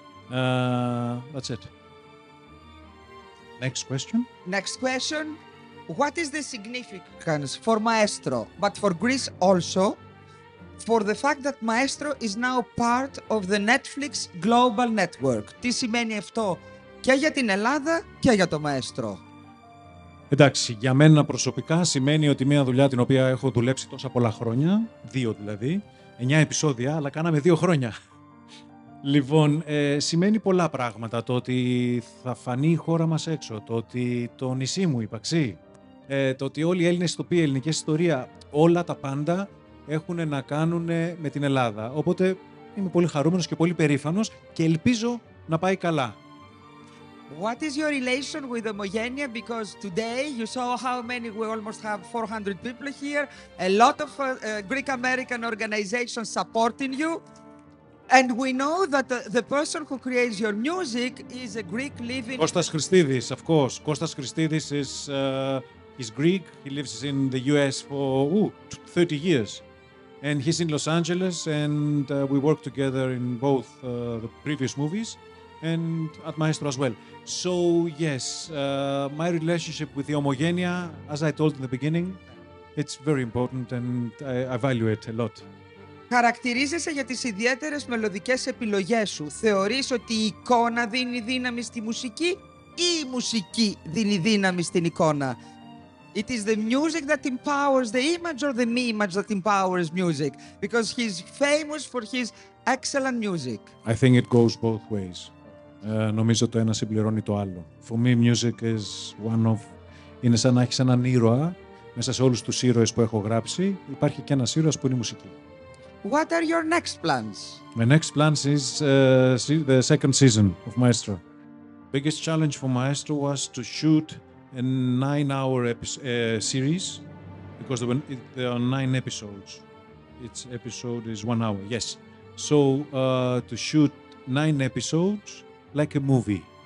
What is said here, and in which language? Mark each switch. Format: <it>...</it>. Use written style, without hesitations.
<en>That's it. Next question. Next question. What is the significance for Maestro, but for Greece also, for the fact that Maestro is now part of the Netflix global network?</en> <el>Τι σημαίνει αυτό και για την Ελλάδα και για το Maestro? Εντάξει, για μένα προσωπικά σημαίνει ότι μια δουλειά την οποία έχω δουλέψει τόσα πολλά χρόνια, δύο δηλαδή, 9 επεισόδια, αλλά κάναμε 2 χρόνια. Λοιπόν, σημαίνει πολλά πράγματα. Το ότι θα φανεί η χώρα μας έξω, το ότι το νησί μου υπαξεί, το ότι όλοι οι Έλληνες ηθοποιοί, η ελληνική ιστορία, όλα τα πάντα έχουν να κάνουν με την Ελλάδα. Οπότε είμαι πολύ χαρούμενος και πολύ περήφανος και ελπίζω να πάει καλά.</el> <en>What is your relation with Ομογένεια? Because today you saw how many, we almost have 400 people here, a lot of Greek-American organizations supporting you. And we know that the person who creates your music is a Greek living. Kostas Christidis, of course. Kostas Christidis is he's Greek. He lives in the US for 30 years. And he's in Los Angeles, and we worked together in both the previous movies and at Maestro as well. So, yes, my relationship with the Homogenia, as I told in the beginning, it's very important and I value it a lot.</en> <el>Χαρακτηρίζεσαι για τις ιδιαίτερες μελωδικές επιλογές σου. Θεωρείς ότι η εικόνα δίνει δύναμη στη μουσική ή η μουσική δίνει δύναμη στην εικόνα?</el> <en>It is the music that empowers the image or the image that empowers music? Because he's famous for his excellent music. I think it goes both ways.</en> <el>Νομίζω το ένα συμπληρώνει το άλλο.</el> <en>For me, music is one of...</en> <el>Είναι σαν να έχεις έναν ήρωα μέσα σε όλους τους ήρωες που έχω γράψει. Υπάρχει και ένας ήρωας που είναι η μουσική.</el> <en>What are your next plans? My next plans is the second season of Maestro. Biggest challenge for Maestro was to shoot a 9-hour series, because there are 9 episodes. Each episode is 1 hour, yes. So to shoot 9 episodes like a movie.</en>